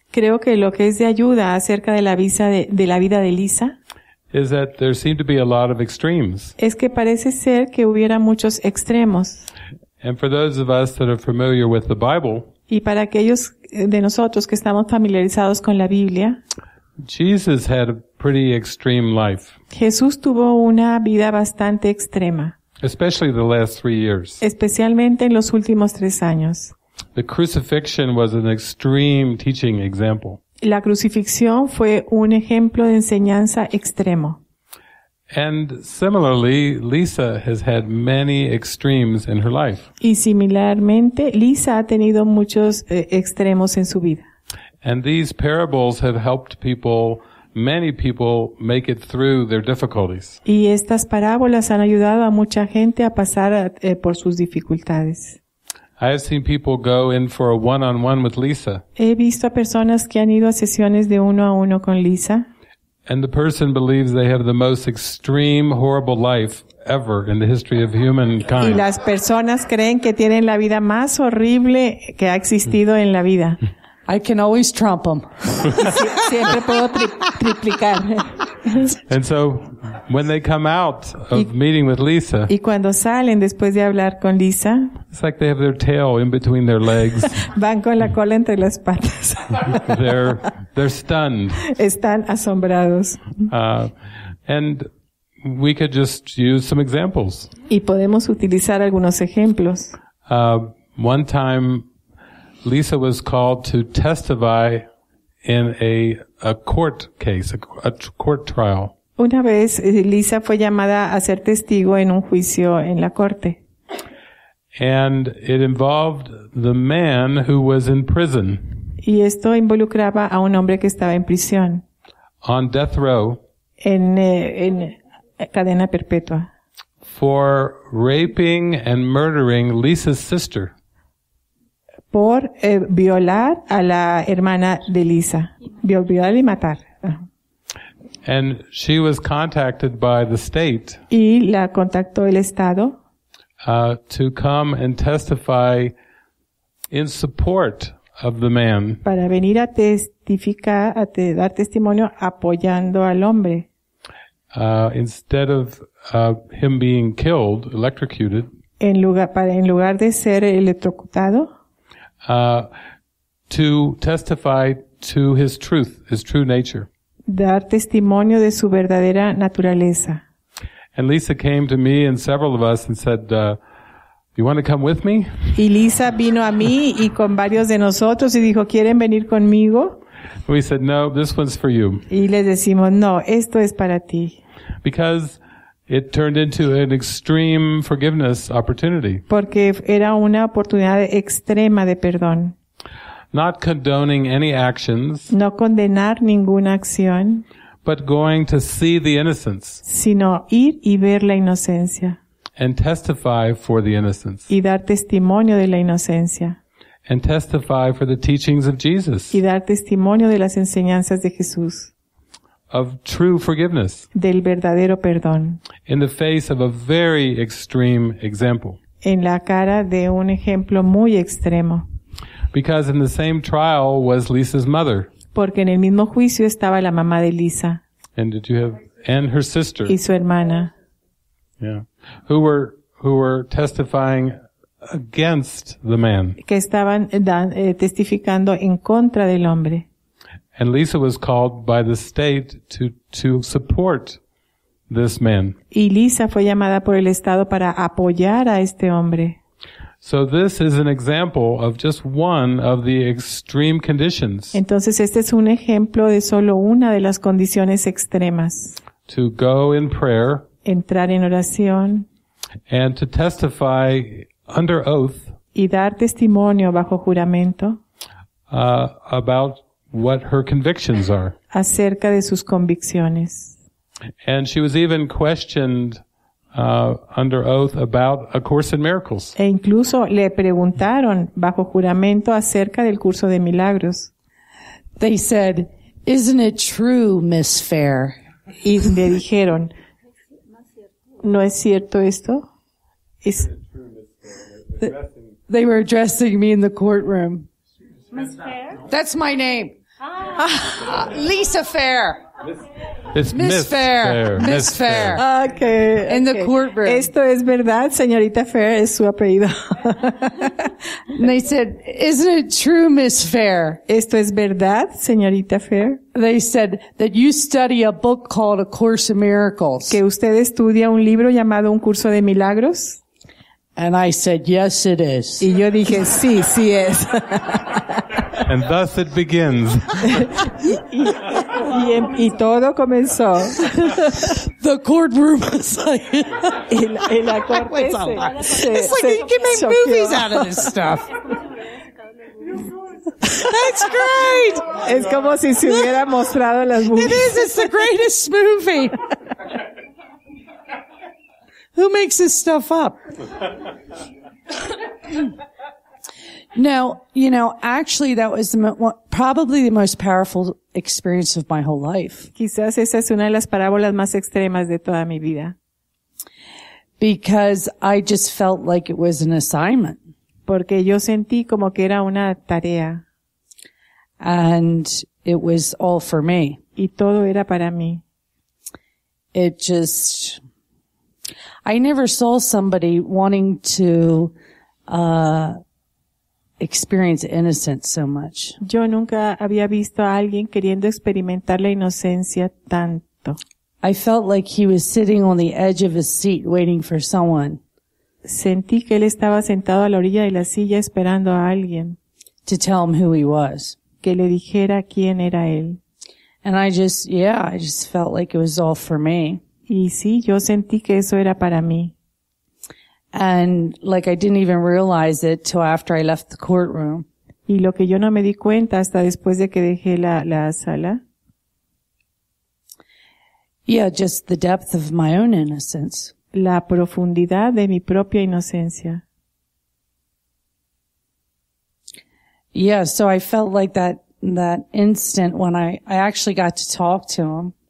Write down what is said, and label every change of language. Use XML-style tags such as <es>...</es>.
<es>Creo que lo que es de ayuda acerca de la vida de Lisa</es> <en>is that there seem to be a lot of extremes.</en> <es>Es que parece ser que hubiera muchos extremos.</es> <en>And for those of us that are familiar with the Bible,</en> <es>y para aquellos de nosotros que estamos familiarizados con la Biblia,</es> <en>Jesus had a pretty extreme life.</en> <es>Jesús tuvo una vida bastante extrema.</es> <en>Especially the last 3 years.</en> <es>Especialmente en los últimos 3 años.</es> <en>The crucifixion was an extreme teaching example.</en> <es>La crucifixión fue un ejemplo de enseñanza extremo.</es> <en>And similarly, Lisa has had many extremes in her life.</en> <es>Y similarmente, Lisa ha tenido muchos extremos en su vida.</es> <en>And these parables have helped people, many people, make it through their difficulties.</en> <es>Y estas parábolas han ayudado a mucha gente a pasar por sus dificultades.</es> <en>I have seen people go in for a one-on-one with Lisa.</en> <es>He visto a personas que han ido a sesiones de uno a uno con Lisa.</es> <en>And the person believes they have the most extreme, horrible life ever in the history of humankind.</en> <es>Y las personas creen que tienen la vida más horrible que ha existido en la vida.</es> <en>I can always trump them.</en> <es>Siempre puedo triplicar.</es> <en>And so, When they come out of meeting with Lisa.</en> <es>Y cuando salen después de hablar con Lisa.</es> <en>It's like they have their tail in between their legs.</en> <es>Van con la cola entre las patas.</es> <en>They're stunned.</en> <es>Están asombrados.</es> <en>And we could just use some examples.</en> <es>Y podemos utilizar algunos ejemplos.</es> <en>One time, Lisa was called to testify in a court case, a court trial.</en> <es>Una vez, Lisa fue llamada a ser testigo en un juicio en la corte.</es> <en>And it involved the man who was in prison.</en> <es>Y esto involucraba a un hombre que estaba en prisión.</es> <en>On death row.</en> <es>En cadena perpetua.</es> <en>For raping and murdering Lisa's sister.</en> <es>Por violar a la hermana de Lisa. Violar y matar.</es> <en>And she was contacted by the state.</en> <es>Y la contactó el estado.</es> <en>To come and testify in support of the man.</en> <es>Para venir a testificar, dar testimonio apoyando al hombre.</es> <en>Instead of him being killed, electrocuted.</en> <es>En lugar de ser electrocutado.</es> <en>To testify to his truth, his true nature.</en> <es>Dar testimonio de su verdadera naturaleza.</es> <en>And Lisa came to me and several of us and said, "You want to come with me?"</en> <es>Y Lisa vino a mí y con varios de nosotros y dijo, "¿Quieren venir conmigo?"</es> <en>We said, "No, this one's for you."</en> <es>Y le decimos, "No, esto es para ti."</es> <en>Because it turned into an extreme forgiveness opportunity.</en> <es>Porque era una oportunidad extrema de perdón.</es> <en>Not condoning any actions.</en> <es>No condenar ninguna acción.</es> <en>But going to see the innocence.</en> <es>Sino ir y ver la inocencia.</es> <en>And testify for the innocence.</en> <es>Y dar testimonio de la inocencia.</es> <en>And testify for the teachings of Jesus.</en> <es>Y dar testimonio de las enseñanzas de Jesús.</es> <en>Of true forgiveness.</en> <es>Del verdadero perdón.</es> <en>In the face of a very extreme example.</en> <es>En la cara de un ejemplo muy extremo.</es> <en>Because in the same trial was Lisa's mother.</en> <es>Porque en el mismo juicio estaba la mamá de Lisa.</es> <en>And did you have, and her sister.</en> <es>Y su hermana.</es> <en>Yeah. Who were testifying against the man.</en> <es>Que estaban testificando en contra del hombre.</es> <en>And Lisa was called by the state to support this man.</en> <es>Y Lisa fue llamada por el estado para apoyar a este hombre.</es> <en>So this is an example of just one of the extreme conditions.</en> <es>Entonces este es un ejemplo de solo una de las condiciones extremas.</es> <en>To go in prayer.</en> <es>Entrar en oración.</es> <en>And to testify under oath.</en> <es>Y dar testimonio bajo juramento.</es> <en>About what her convictions are.</en> <es>Acerca de sus convicciones.</es> <en>And she was even questioned under oath about A Course in Miracles.</en> <es>E incluso le preguntaron bajo juramento acerca del curso de milagros.</es> <en>They said, "Isn't it true, Miss Fair?"</en> <es>Y le dijeron, ¿no es cierto esto?</es> <en>Is it true, Miss Fair? They were addressing me in the courtroom. Miss Fair? That's my name. Lisa Fair. It's Miss Fair. Miss Fair. Okay. In the courtroom.</en> <es>Esto es verdad, señorita Fair es su apellido.</es> <en>And they said, "Isn't it true, Miss Fair?"</en> <es>Esto es verdad, señorita Fair.</es> <en>They said that you study a book called A Course in Miracles.</en> <es>Que usted estudia un libro llamado Un Curso de Milagros.</es> <en>And I said, "Yes, it is."</en> <es>Y yo dije, sí, sí es.</es> <en>And thus it begins.</en> <es>y todo comenzó.</es> <en>The courtroom was like...</en> <es>y la corte</es> <en>it's like you can make</en> <es>choqueó.</es> <en>Movies out of this stuff. That's great!</en> <es>Es como si se hubiera mostrado las movies.</es> <en>It is, it's the greatest movie. Who makes this stuff up? Now, you know, actually that was probably the most powerful experience of my whole life.</en> <es>Quizás esa es una de las parábolas más extremas de toda mi vida.</es> <en>Because I just felt like it was an assignment.</en> <es>Porque yo sentí como que era una tarea.</es> <en>And it was all for me.</en> <es>Y todo era para mí.</es> <en>it just, I never saw somebody wanting to experience innocence so much.</en> <es>Yo nunca había visto a alguien queriendo experimentar la inocencia tanto.</es> <en>I felt like he was sitting on the edge of his seat waiting for someone.</en> <es>Sentí que él estaba sentado a la orilla de la silla esperando a alguien.</es> <en>To tell him who he was.</en> <es>Que le dijera quién era él.</es> <en>And I just, yeah, I just felt like it was all for me.</en> <es>Y sí, yo sentí que eso era para mí.</es> <en>And like I didn't even realize it till after I left the courtroom.</en> <es>Y lo que yo no me di cuenta hasta después de que dejé la sala.</es> <en>Yeah, just the depth of my own innocence.</en> <es>La profundidad de mi propia inocencia.</es> <en>Yeah, so I felt like that instant when I actually got to talk to him.</en>